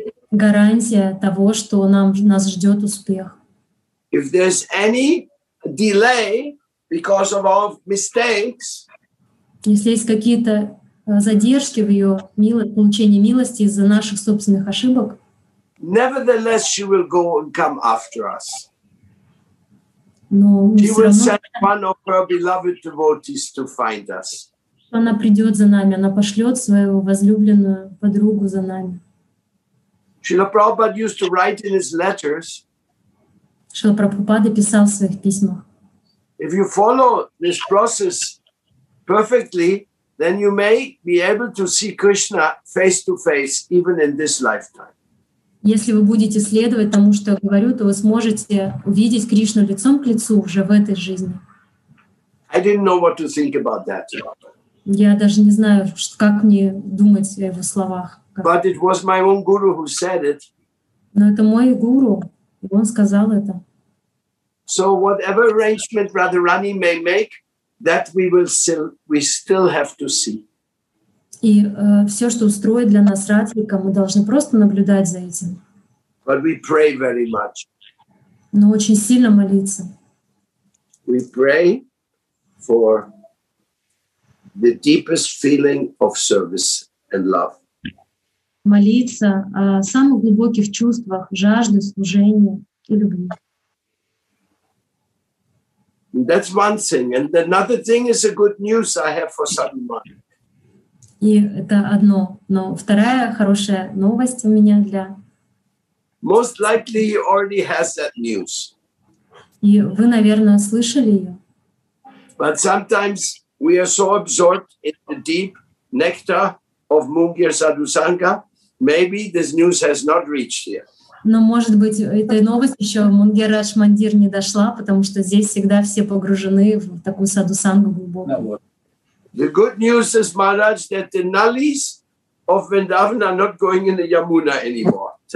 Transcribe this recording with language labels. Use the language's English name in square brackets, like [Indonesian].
[Russian] Гарантия того, что нас ждет успех. [English] If there's any delay because of our mistakes, [Russian] если есть какие-то задержки в ее получении милости из-за наших собственных ошибок, [English] nevertheless she will go and come after us. [Russian] Но [English] she will send one of her beloved devotees to find us. [Russian] Она придет за нами, она пошлет свою возлюбленную подругу за нами. [English] Шрила Прабхупада used to write in his letters. [Russian] Шрила Прабхупада писал в своих письмах. [English] If you follow this process perfectly, then you may be able to see Krishna face to face even in this lifetime. [Russian] Если вы будете следовать тому, что я говорю, то вы сможете увидеть Кришну лицом к лицу уже в этой жизни. [English] I didn't know what to think about that. [Russian] Я даже не знаю, как мне думать о его словах. [English] But it was my own guru who said it. [Russian] Но это мой гуру, и он сказал это. [English] So whatever arrangement Radharani may make, that we still have to see. [Russian] И все, что устроит для нас Радхика, мы должны просто наблюдать за этим. [English] But we pray very much. [Russian] Но очень сильно молиться. [English] We pray for the deepest feeling of service and love. [Russian] Молиться о самых глубоких чувствах, жажды служения и любви. [English] That's one thing. And another thing is a good news I have for someone. [Russian] И это одно. Но вторая хорошая новость у меня для [English] most likely he already has that news. [Russian] И вы, наверное, слышали ее. [English] But sometimes we are so absorbed in the deep nectar of Mungir Sadhu Sangha, maybe this news has not reached here. [Russian] Но, может быть, этой новости еще Мунгераш Мандир не дошла, потому что здесь всегда все погружены в такую садусангу глубокую. [English] The good news is, Maharaj, that the nullies of Vrindavan are not going in the Yamuna anymore.